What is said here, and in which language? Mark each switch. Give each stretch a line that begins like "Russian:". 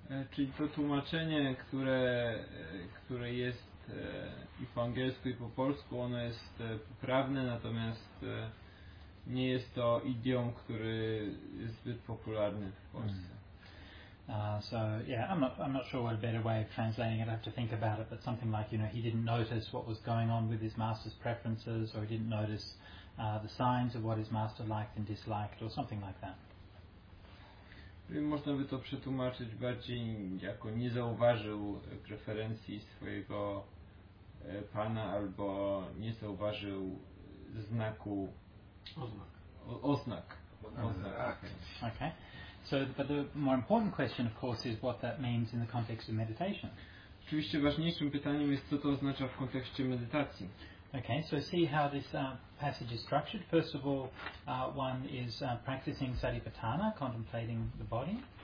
Polish: Czyli to tłumaczenie, które jest i po angielsku, i po polsku, ono jest poprawne, natomiast nie jest to idiom, który jest zbyt popularny w Polsce.
English: I'm not sure what a better way of translating it, I have to think about it, but something like, you know, he didn't notice what was going on with his master's preferences, or he didn't notice the signs of what his master liked and disliked, or something like that.
Polish: Można by to przetłumaczyć bardziej jako nie zauważył preferencji swojego pana, albo nie zauważył znaku, oznak.
English: Okay. So, but the more important question, of course, is what that means in the context of meditation.
Polish: Oczywiście ważniejszym pytaniem jest, co to oznacza w kontekście medytacji.
English: Okay, so see how this passage is structured. First of all, one is practicing satipatthana, contemplating the body.